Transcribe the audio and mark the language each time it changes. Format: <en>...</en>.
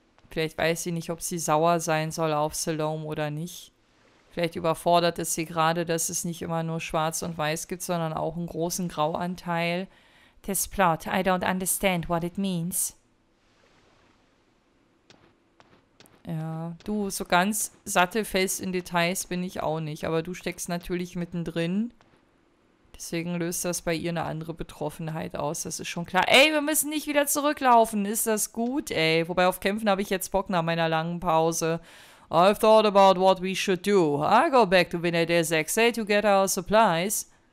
<de>Vielleicht weiß sie nicht, ob sie sauer sein soll auf Salome oder nicht. Vielleicht überfordert es sie gerade, dass es nicht immer nur schwarz und weiß gibt, sondern auch einen großen Grauanteil.</de> <en>This plot, I don't understand what it means.</en> <de>Ja, du, so ganz sattelfest in Details bin ich auch nicht, aber du steckst natürlich mittendrin. Deswegen löst das bei ihr eine andere Betroffenheit aus, das ist schon klar. Ey, wir müssen nicht wieder zurücklaufen, ist das gut, ey. Wobei, auf Kämpfen habe ich jetzt Bock nach meiner langen Pause.</de> <en>I've thought about what we should do. I'll go back to Vinadel's Exe to get our supplies.</en>